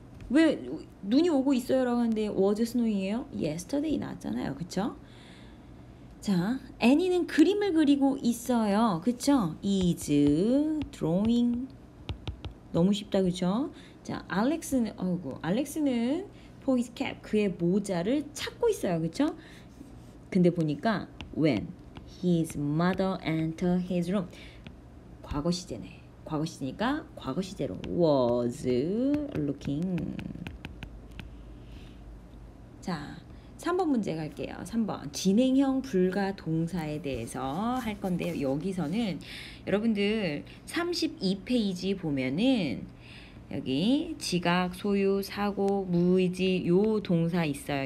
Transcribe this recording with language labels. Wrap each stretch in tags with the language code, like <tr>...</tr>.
<ko>왜 눈이 오고 있어요라고 하는데 was snowing이에요? yesterday 나왔잖아요, 그쵸? 자, 애니는 그림을 그리고 있어요, 그쵸? is drawing. 너무 쉽다, 그쵸? 자, 알렉스는, 어이구, 알렉스는 for his cap, 그의 모자를 찾고 있어요, 그쵸? 근데 보니까</ko> <en>when his mother entered his room,</en> <ko>과거 시제네. 과거 시제니까 과거 시제로 was looking. 자, 3번 문제 갈게요. 3번 진행형 불가 동사에 대해서 할 건데요. 여기서는 여러분들 32페이지 보면은 여기 지각, 소유, 사고, 무의지 요 동사 있어요.</ko>